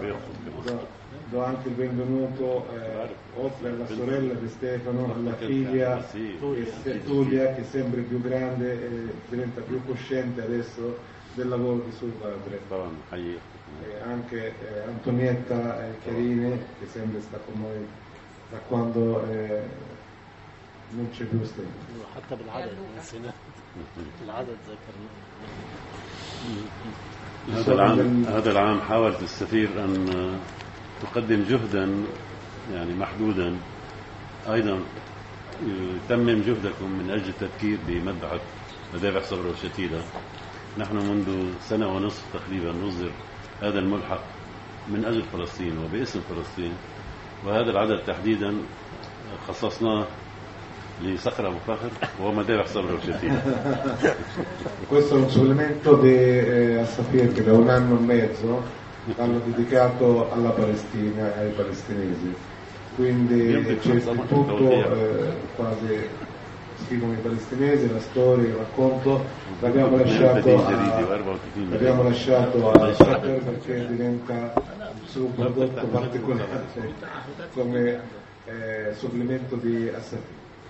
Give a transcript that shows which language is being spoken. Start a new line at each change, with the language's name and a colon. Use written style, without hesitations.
Italian: do anche il benvenuto oltre alla sorella di Stefano, alla figlia Tullia, che è sempre più grande e diventa più cosciente adesso del lavoro di suo padre, e anche Antonietta Chiarini, che sempre sta con noi da quando non c'è più Stefano.
Arabic: هذا العام حاولت السفير أن تقدم جهدا يعني محدودا، أيضا تمم جهدكم من أجل التذكير بمذبحة مذابح صبرا وشتيلة. نحن منذ سنة ونصف تقريبا نصدر هذا الملحق من أجل فلسطين وباسم فلسطين، وهذا العدد تحديدا خصصناه لصخرة أبو فخر ومذابح صبرا وشتيلة.
Italian: Questo è un supplemento di Al-Safir che da un anno e mezzo hanno dedicato alla Palestina e ai palestinesi. Quindi c'è tutto, quasi scrivono i palestinesi, la storia, il racconto, l'abbiamo lasciato a Al-Safir perché diventa un prodotto particolare come supplemento di Al-Safir.